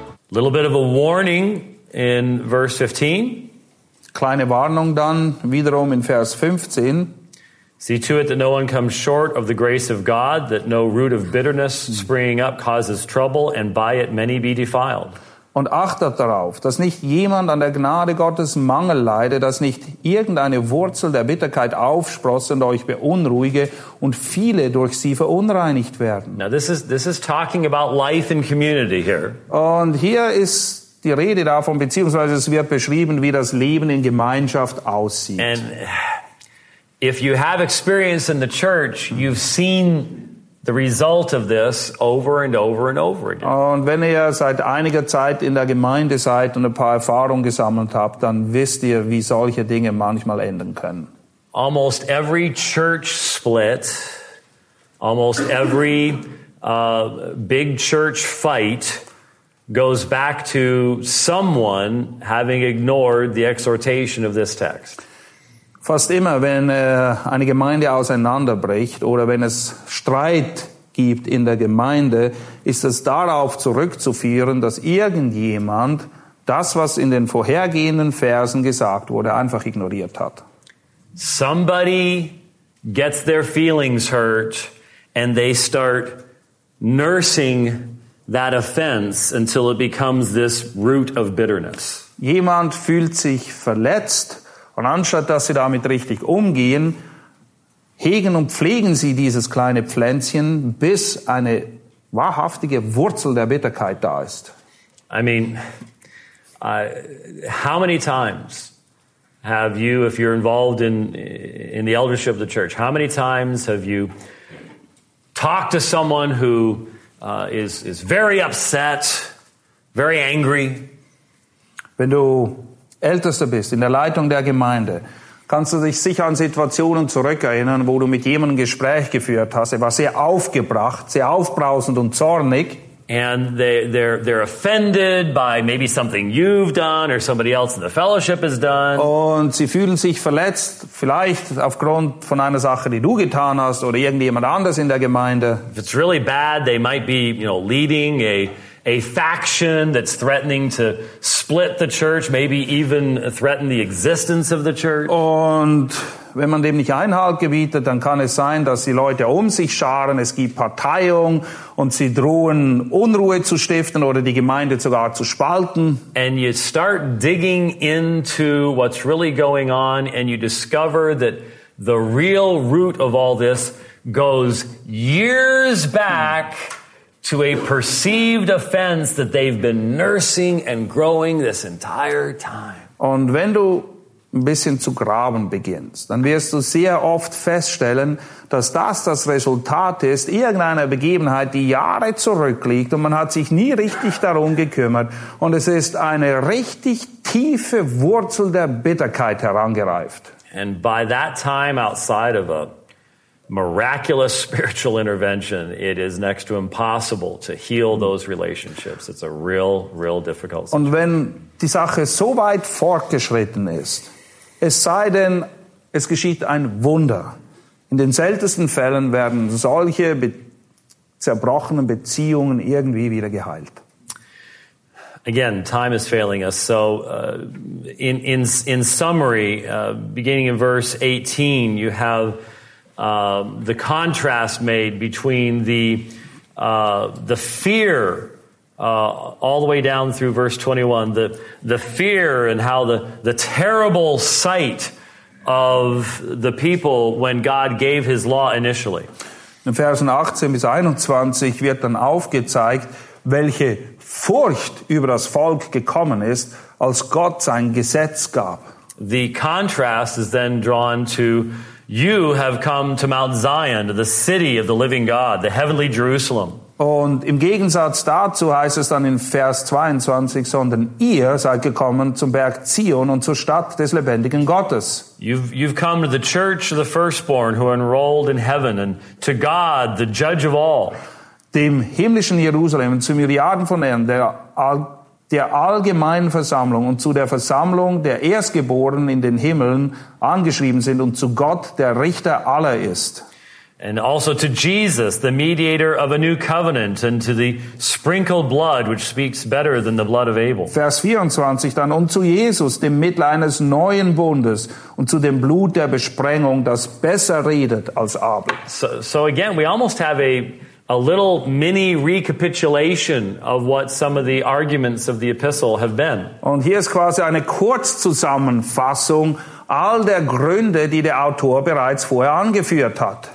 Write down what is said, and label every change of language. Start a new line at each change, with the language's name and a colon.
English: Little bit of a warning in verse 15.
German: Kleine Warnung dann wiederum in Vers 15.
English: See to it that no one comes short of the grace of God, that no root of bitterness springing up causes trouble, and by it many be defiled.
German: Und achtet darauf, dass nicht jemand an der Gnade Gottes Mangel leide, dass nicht irgendeine Wurzel der Bitterkeit aufsprosse und euch beunruhige und viele durch sie verunreinigt werden.
English: Now this is talking about life in community here.
German: Und hier ist die Rede davon, beziehungsweise es wird beschrieben, wie das Leben in Gemeinschaft aussieht.
English: And if you have experience in the church, you've seen the result of this over and over and over again.
German: Und wenn ihr seit einiger Zeit in der Gemeinde seid und ein paar Erfahrungen gesammelt habt, dann wisst ihr, wie solche Dinge manchmal enden können.
English: Almost every church split, almost every big church fight goes back to someone having ignored the exhortation of this text.
German: Fast immer, wenn eine Gemeinde auseinanderbricht oder wenn es Streit gibt in der Gemeinde, ist es darauf zurückzuführen, dass irgendjemand das, was in den vorhergehenden Versen gesagt wurde, einfach ignoriert hat.
English: Somebody gets their feelings hurt and they start nursing that offense until it becomes this root of bitterness.
German: Jemand fühlt sich verletzt. Und anstatt, dass sie damit richtig umgehen, hegen und pflegen sie dieses kleine Pflänzchen, bis eine wahrhaftige Wurzel der Bitterkeit da ist.
English: I mean, how many times have you, if you're involved in the eldership of the church, how many times have you talked to someone who is very upset, very angry?
German: Wenn du Ältester bist in der Leitung der Gemeinde, kannst du dich sicher an Situationen zurückerinnern, wo du mit jemandem ein Gespräch geführt hast. Er war sehr aufgebracht, sehr aufbrausend und zornig.
English: And they're offended by maybe something you've done or somebody else in the fellowship has done.
German: Und sie fühlen sich verletzt, vielleicht aufgrund von einer Sache, die du getan hast oder irgendjemand anders in der Gemeinde.
English: If it's really bad, they might be, you know, leading a faction that's threatening to split the church, maybe even threaten the existence of the church.
German: Und wenn man dem nicht Einhalt gebietet, dann kann es sein, dass die Leute um sich scharen, es gibt Parteiung und sie drohen, Unruhe zu stiften oder die Gemeinde sogar zu spalten.
English: And you start digging into what's really going on and you discover that the real root of all this goes years back to a perceived offense that they've been nursing and growing this entire time.
German: Und wenn du ein bisschen zu graben beginnst, dann wirst du sehr oft feststellen, dass das Resultat ist irgendeiner Begebenheit, die Jahre zurückliegt und man hat sich nie richtig darum gekümmert und es ist eine richtig tiefe Wurzel der Bitterkeit herangereift.
English: And by that time outside of a miraculous spiritual intervention, it is next to impossible to heal those relationships. It's a real, real difficult situation.
German: Und wenn die Sache so weit fortgeschritten ist, es sei denn, es geschieht ein Wunder. In den seltensten Fällen werden solche zerbrochenen Beziehungen irgendwie wieder geheilt.
English: Again, time is failing us. So, in summary, beginning in verse 18, you have the contrast made between the fear all the way down through verse 21, the fear and how the terrible sight of the people when God gave his law initially.
German: In Versen 18 bis 21 wird dann aufgezeigt, welche Furcht über das Volk gekommen ist, als Gott sein Gesetz gab.
English: The contrast is then drawn to: you have come to Mount Zion, to the city of the living God, the heavenly Jerusalem.
German: Und im Gegensatz dazu heißt es dann in Vers 22, sondern ihr seid gekommen zum Berg Zion und zur Stadt des lebendigen Gottes.
English: You've come to the church of the firstborn who are enrolled in heaven and to God, the judge of all.
German: Dem himmlischen Jerusalem, zu Milliarden von Herren, der allgemeinen Versammlung und zu der Versammlung der Erstgeborenen in den Himmeln angeschrieben sind und zu Gott, der Richter aller ist.
English: And also to Jesus, the mediator of a new covenant, and to the sprinkled blood, which speaks better than the blood of Abel.
German: Vers 24 dann, und zu Jesus, dem Mittler eines neuen Bundes, und zu dem Blut der Besprengung, das besser redet als Abel.
English: So again, we almost have a little mini recapitulation of what some of the arguments of the epistle have been.
German: Und hier ist quasi eine Kurzzusammenfassung all der Gründe, die der Autor bereits vorher angeführt hat.